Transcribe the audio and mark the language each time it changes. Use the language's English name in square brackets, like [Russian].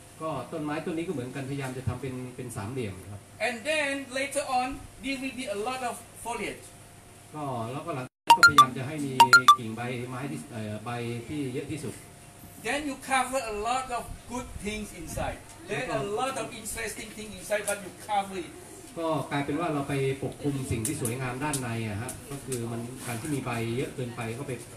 [Thai] ก็ต้นไม้ต้นนี้ก็เหมือนกันพยายามจะทำเป็นสามเหลี่ยมครับ [English] And then later on, there will be a lot of foliage. [Thai] ก็แล้วก็หลังก็พยายามจะให้มีกิ่งใบไม้ที่ใบที่เยอะที่สุด [English] Then you cover a lot of good things inside. There's a lot of interesting things inside, but you cover it. [Thai] ก็กลายเป็นว่าเราไปปกคลุมสิ่งที่สวยงามด้านในอ่ะฮะก็คือมันการที่มีใบเยอะเกินไปก็ไป